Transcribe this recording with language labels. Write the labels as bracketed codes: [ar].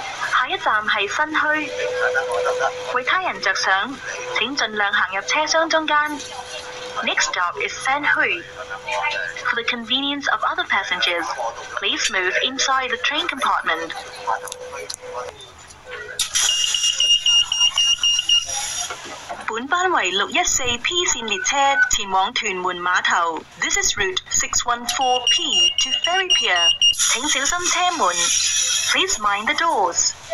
[yue] 下一站是新墟，为他人着想，请尽量行入车厢中间。 [en] Next stop is 新墟。 For the convenience of other passengers, please move inside the train compartment. [yue] 本班为 614P 线列车前往屯门码头。 [en] This is route 614P to Ferry Pier. [yue] 请小心车门。 [en] Please mind the doors.